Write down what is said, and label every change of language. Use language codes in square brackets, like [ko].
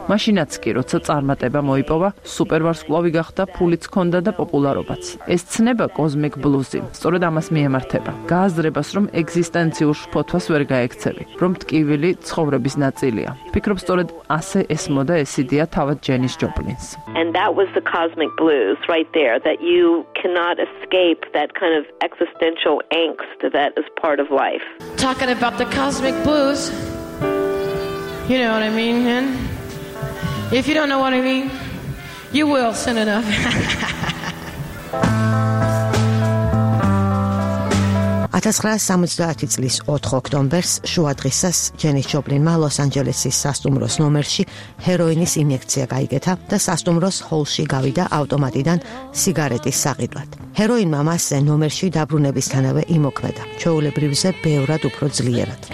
[ka] მაშინაც კი, როცა წარმატება მოიპოვა, სუპერვარსკვლავი გახდა, ფულიც ჰქონდა და პოპულარობაც. ეს ცნება Cosmic Blues-ი სწორედ ამას მიემართება. გააზრებას, რომ ეგზისტენციურ შფოთვას ვერ გაექცევი, რომ ტკივილი ცხოვრების ნაწილია. ფიქრობ, სწორედ ასე ესმოდა ეს იდეა თავად ჯენის ჯოპლინს. [en] And that was the Cosmic Blues right there, that you cannot escape that kind of existential angst that is part of life. Talking about the Cosmic Blues, you know what I mean, man? If you don't know what I mean, you will soon enough. At [ka] 1970 წლის 4 ოქტომბერს შუადღისას ჯენის ჯოპლინმა ლოს-ანჯელესის სასტუმროს ნომერში ჰეროინის ინექცია გაიგეთა და სასტუმროს ჰოლში გავიდა ავტომატიდან სიგარეტის საყიდვად. ჰეროინმა მასზე ნომერში დაბრუნებისთანავე იმოქმედა, ჩვეულებრივზე ბევრად უფრო ძლიერად.